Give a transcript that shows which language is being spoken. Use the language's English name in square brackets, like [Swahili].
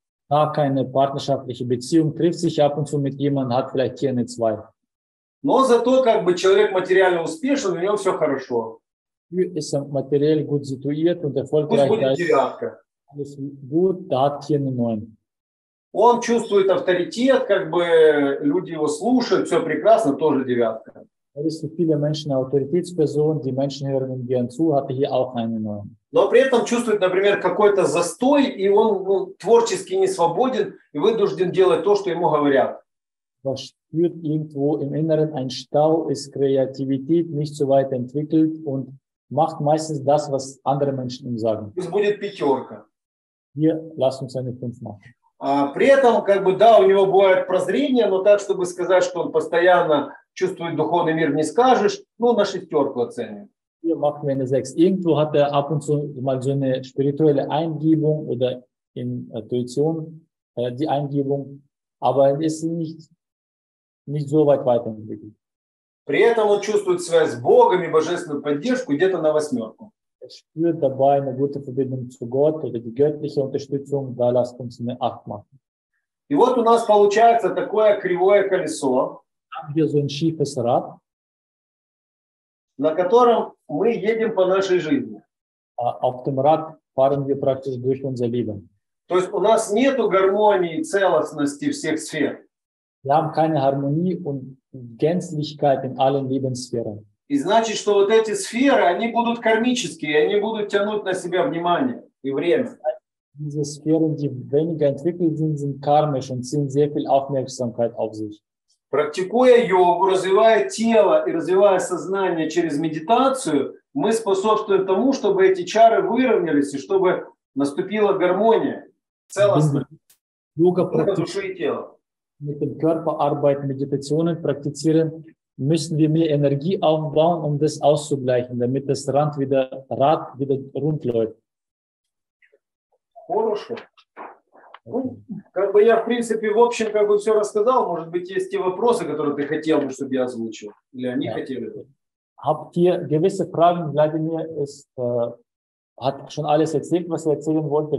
[German] Da keine partnerschaftliche Beziehung, trifft sich ab und zu mit jemandem, hat vielleicht hier eine 2. [Russian] Но зато как бы человек материально успешен, у него все хорошо. [German] Ist er materiell gut situiert und erfolgreich, alles gut, da hat hier eine 9. [Russian] Он чувствует авторитет, как бы люди его слушают, все прекрасно, тоже 9. [German] Er ist für viele Menschen eine Autoritätsperson, die Menschen hören ihm gern zu, hat hier auch eine 9. [Russian] Но при этом чувствует, например, какой-то застой, и он творчески не свободен и вынужден делать то, что ему говорят. [German] Was spürt irgendwo im Inneren ein Stau, ist Kreativität nicht so weit entwickelt und macht meistens das, was andere Menschen ihm sagen. Es [Russian] будет пятерка. [German] Hier, lass uns eine 5 machen. [Russian] При этом, как бы, да, у него бывает прозрение, но так, чтобы сказать, что он постоянно чувствует духовный мир, не скажешь, ну, на 6 оценим. [German] Hier machen wir eine 6. Irgendwo hat er ab und zu mal so eine spirituelle Eingebung oder Intuition, die Eingebung, aber es ist nicht so weit weiterentwickelt. [Russian] При этом он чувствует связь с Богом и божественную поддержку где-то на 8. [German] Er spürt dabei eine gute Verbindung zu Gott oder die göttliche Unterstützung, da lasst uns eine 8 machen. [Russian] И вот у нас получается такое кривое колесо. [German] Haben wir so ein schiefes Rad, [Russian] на котором мы едем по нашей жизни. [German] Auf dem Rad fahren wir praktisch durch unser Leben. [Russian] То есть у нас нету гармонии и целостности всех сфер. [German] Wir haben keine Harmonie und Gänzlichkeit in allen Lebenssphären. [Russian] И значит, что вот эти сферы, они будут кармические, они будут тянуть на себя внимание и время. [German] Diese Sphären, die weniger entwickelt sind, sind karmisch und ziehen sehr viel Aufmerksamkeit auf sich. [Russian] Практикуя йогу, развивая тело и развивая сознание через медитацию, мы способствуем тому, чтобы эти чары выровнялись и чтобы наступила гармония, целостность души и тела. [German] Mit dem Körper arbeiten, Meditationen praktizieren, müssen wir mehr Energie aufbauen, um das auszugleichen, damit das Rad wieder rund läuft. [Russian] Хорошо. Ну, как бы я, в принципе, в общем, как бы все рассказал. Может быть, есть те вопросы, которые ты хотел бы, чтобы я озвучил. Или они хотели бы. [German] Habt ihr gewisse Fragen? Владимир hat schon alles erzählt, was er erzählen wollte.